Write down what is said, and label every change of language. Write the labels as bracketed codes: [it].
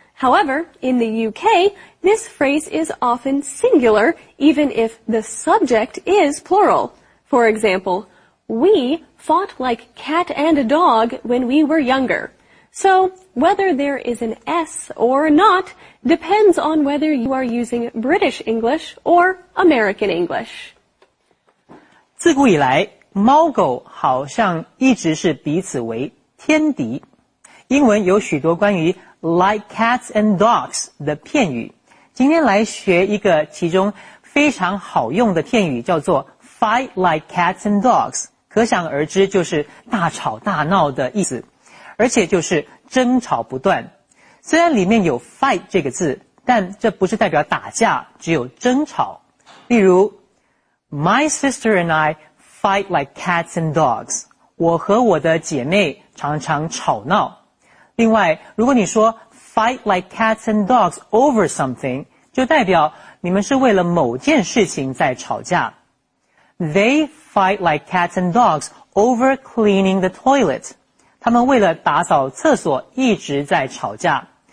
[en] However, in the UK, this phrase is often singular, even if the subject is plural. For example, we fought like cat and dog when we were younger. So, whether there is an S or not depends on whether you are using British English or American English. [zh] 自古以来，猫狗好像一直是彼此为天敌。英文有许多关于 [en] like cats and dogs [zh] 的片语。今天来学一个其中非常好用的片语，叫做 [en] fight like cats and dogs。 [zh] 可想而知，就是大吵大闹的意思，而且就是争吵不断。虽然里面有 fight 这个字，但这不是代表打架，只有争吵。例如 [en] ，My sister and I fight like cats and dogs。 [zh] 我和我的姐妹常常吵闹。另外，如果你说 [en] fight like cats and dogs over something， [zh] 就代表你们是为了某件事情在吵架。 [en] They fight like cats and dogs over cleaning the toilet. [zh] 他们为了打扫厕所一直在吵架。